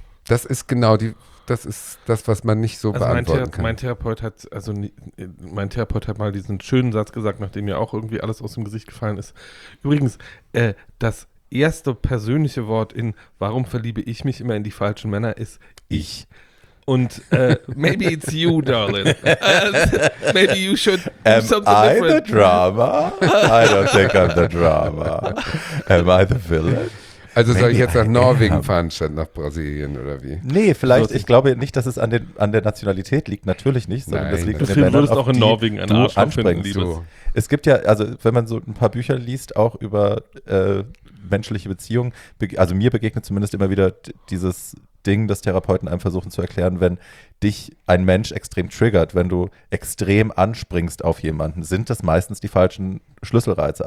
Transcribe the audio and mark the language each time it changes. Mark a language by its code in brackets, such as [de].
[de] Das ist genau die, das ist das, was man nicht so also beantworten kann. Mein Therapeut hat mal diesen schönen Satz gesagt, nachdem mir auch irgendwie alles aus dem Gesicht gefallen ist. Übrigens, das erste persönliche Wort in warum verliebe ich mich immer in die falschen Männer ist ich. Und [en] maybe it's you, darling. Maybe you should do something different. Am I the drama? I don't think I'm the drama. Am I the villain? [de] Also soll ich jetzt nach Norwegen fahren, statt nach Brasilien oder wie? Nee, vielleicht, ich glaube nicht, dass es an der Nationalität liegt, natürlich nicht, sondern nein, das liegt in den Ländern, würdest auch in Norwegen einen Arsch ansprechen, Liebes. Es gibt ja, also wenn man so ein paar Bücher liest, auch über menschliche Beziehungen, also mir begegnet zumindest immer wieder dieses Ding, das Therapeuten einem versuchen zu erklären, wenn dich ein Mensch extrem triggert, wenn du extrem anspringst auf jemanden, sind das meistens die falschen Schlüsselreize.